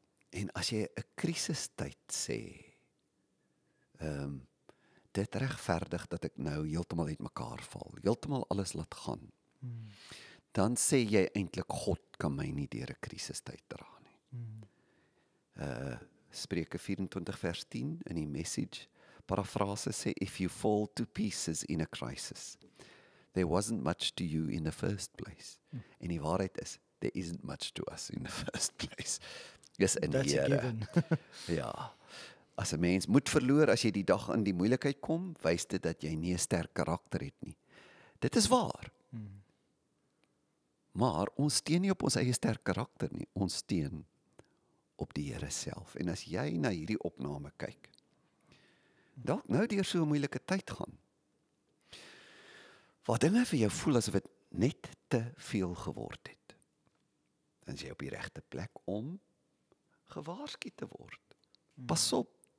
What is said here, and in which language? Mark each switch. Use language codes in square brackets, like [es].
[af] En as jy 'n krisistyd sê, dit regverdig dat ek nou heeltemal uit mekaar val, heeltemal alles laat gaan, dan sê jy eintlik, God kan my nie deur 'n krisistyd dra nie. Spreuke 24 vers 10 in die Message parafrase sê, [en] if you fall to pieces in a crisis, there wasn't much to you in the first place. [af] En die waarheid is, [en] there isn't much to us in the first place. Yes, in that's [af] die Here. Ja, as 'n mens moet verloor as jy die dag in die moeilikheid kom, wys dit dat jy nie 'n sterk karakter het nie. Dit is waar. Maar ons steun nie op ons eie sterk karakter nie. Ons steun op die Here self. En as jy na hierdie opname kyk, dalk nou deur so 'n moeilike tyd gaan, waar dinge vir jou voel asof dit net te veel geword het, dan is jy op die regte plek om gewaarsku te word. Pas op.